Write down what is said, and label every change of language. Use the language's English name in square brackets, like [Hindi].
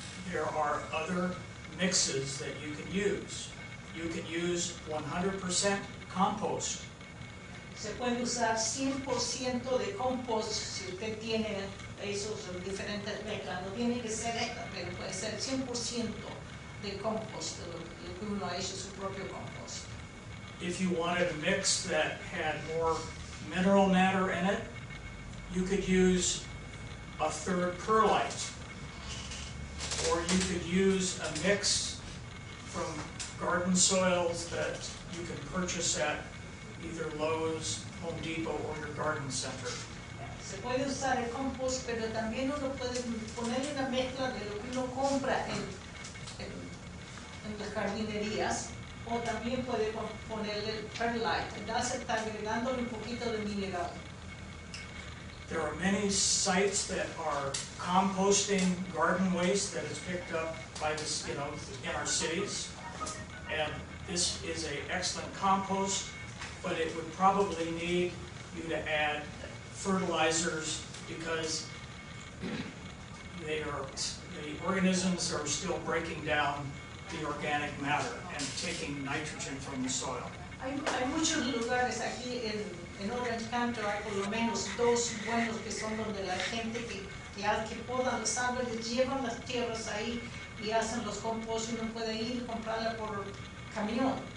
[English] There are other mixes that you can use. You can use 100% compost. [Spanish] Se puede usar 100% de compost si usted tiene esos diferentes mezclas. No tiene que ser esta, pero puede ser 100% de compost, lo que uno ha hecho su propio compost. [English] If you wanted a mix that had more mineral matter in it, you could use a third perlite. Or you could use a mix from garden soils that you can purchase at either Lowe's, Home Depot, or your garden center. [Spanish] Se puede usar el compost, pero también uno puede poner una mezcla de lo que uno compra en las jardinerías, o también puede poner el perlite. Entonces está agregándole un poquito de mineral. [English] There are many sites that are composting garden waste that is picked up by this, you know, in our cities. And this is an excellent compost, but it would probably need you to add fertilizers because the organisms are still breaking down the organic matter and taking nitrogen from the soil. [Spanish] Hay muchos lugares aquí en Orange County, hay por lo menos dos buenos que son donde la gente que podan los árboles llevan las tierras ahí y hacen los compost y uno puede ir y comprarla por camión.